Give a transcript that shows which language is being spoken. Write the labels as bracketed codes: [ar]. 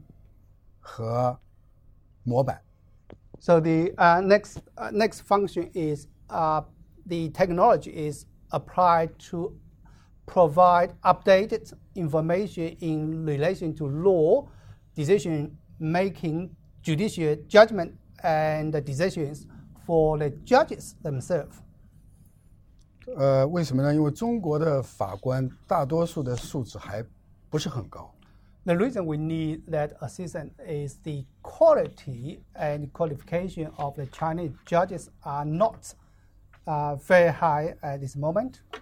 [zh] 第二个，通过网络系统给法官推送审判的相应的法律案例和模板。 [en] So the next function is the technology is applied to provide updated information in relation to law, decision making, judicial judgment, and decisions for the judges themselves. [zh] 为什么呢? 因为中国的法官大多数的素质还不是很高。 [en] The reason we need that assistance is the quality and qualification of the Chinese judges are not very high at this moment.